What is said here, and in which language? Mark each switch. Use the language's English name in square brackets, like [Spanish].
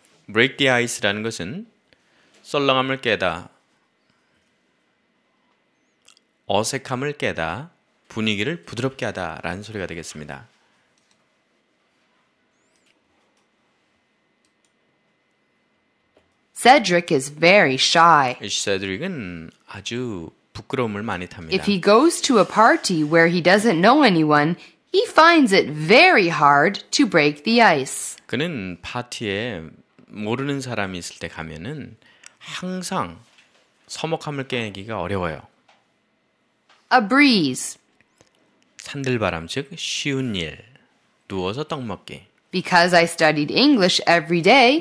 [English] Break the ice [Korean] 라는 것은 썰렁함을 깨다, 어색함을 깨다, 분위기를 부드럽게 하다 라는 소리가 되겠습니다. [English] 세드릭 is very shy. [Korean] 세드릭은 아주 부끄러움을 많이 탑니다. [English] If he goes to a party where he doesn't know anyone, he finds it very hard to break the ice. [Korean] 그는 파티에 모르는 사람이 있을 때 가면은 항상 서먹함을 깨기가 어려워요. [English] A breeze. [Korean] 산들바람, 즉 쉬운 일. 누워서 떡 먹기. [English] Because I studied English every day.